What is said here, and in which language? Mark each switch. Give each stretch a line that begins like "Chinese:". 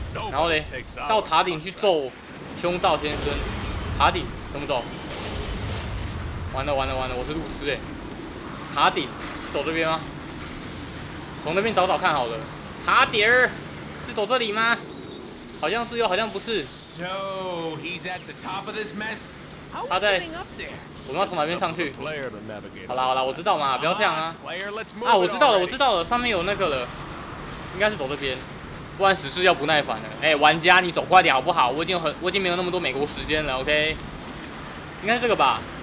Chinese: 然后嘞，到塔顶去揍凶兆先生。塔顶怎么走？完了，我是路痴哎。塔顶，走这边吗？从那边找找看好了。塔顶是走这里吗？好像是又好像不是。
English: So he's at the top of this mess. How are we getting up there?
Chinese: 我们要从哪边上去？好了好了，我知道嘛，不要这样啊。啊，我知道了，我知道了，上面有那个了，应该是走这边。不然死士要不耐烦了。哎，玩家，你走快点好不好？我已经没有那么多美国时间了。OK， 应该是这个吧。